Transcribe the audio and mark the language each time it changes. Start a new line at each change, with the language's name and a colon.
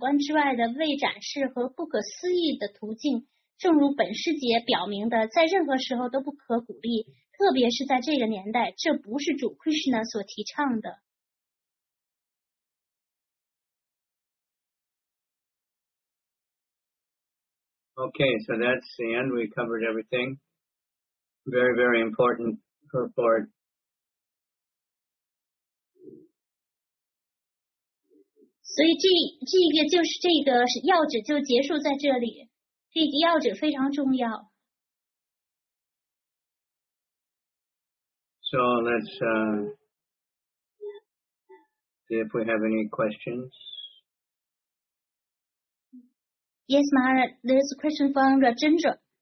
Chinese: 对每个生物来说，使人全然从事奉爱服务的Krishna之觉之徒是最佳途径。人若忽视这种奉爱服务，必有转向无神论的危险。因此，凝神于超出感官之外的未展示和不可思议的途径。正如本师节表明的，在任何时候都不可鼓励，特别是在这个年代，这不是主 Krishna 所提倡的。Okay,
English: so that's the end. We covered everything. Very, very important report.
Chinese: So这个要旨就结束在这里。
English: So let's see if we have any questions. Yes, Maharaj, there's a question from Rajendra.